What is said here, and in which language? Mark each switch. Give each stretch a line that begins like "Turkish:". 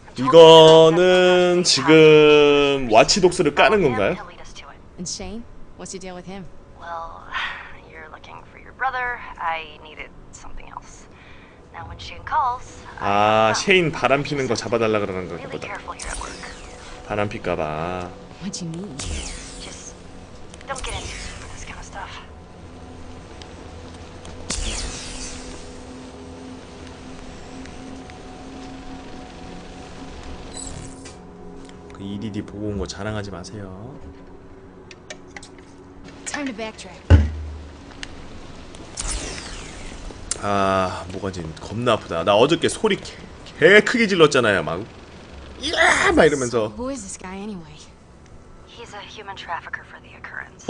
Korean: 이거는 지금 와치 독스를 까는 건가요?
English: And Shane, what's your deal with him? Well, you're looking for your brother. I needed something else. Now when Shane calls,
Korean: 아, 셰인 바람 피는 거 잡아달라 그러는 거 보다. 바람 피까 봐.
English: What do you mean? Just don't get into this kind of stuff.
Korean: 그 EDD 보고 온 거 자랑하지 마세요.
English: Time to backtrack.
Korean: 아, 뭐가 지금 겁나 아프다. 나 어저께 소리 개 크게 질렀잖아요, 막. 야, 막 이러면서.
English: Who is this guy anyway? He's a human trafficker for the occurrence.